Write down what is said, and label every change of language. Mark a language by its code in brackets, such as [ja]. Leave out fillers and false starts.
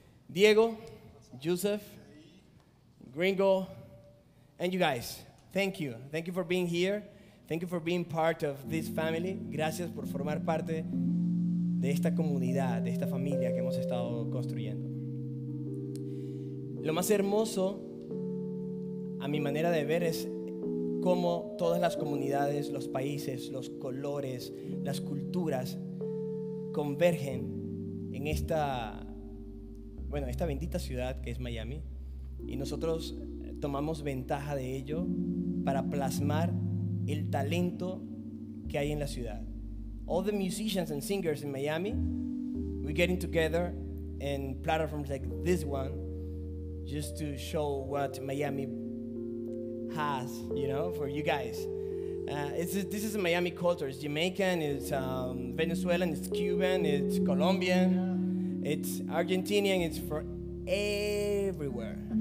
[en] Diego, Joseph, Gringo, and you guys, thank you. Thank you for being here. Thank you for being part of this family. [es] Gracias por formar parte de esta comunidad, de esta familia que hemos estado construyendo. Lo más hermoso, a mi manera de ver, es cómo todas las comunidades, los países, los colores, las culturas convergen en esta, bueno, esta bendita ciudad que es Miami. Y nosotros tomamos ventaja de ello para plasmar el talento que hay en la ciudad. [en] All the musicians and singers in Miami, we're getting together in platforms like this one just to show what Miami has, you know, for you guys. This is Miami culture. It's Jamaican, it's Venezuelan, it's Cuban, it's Colombian, it's Argentinian, it's for everywhere.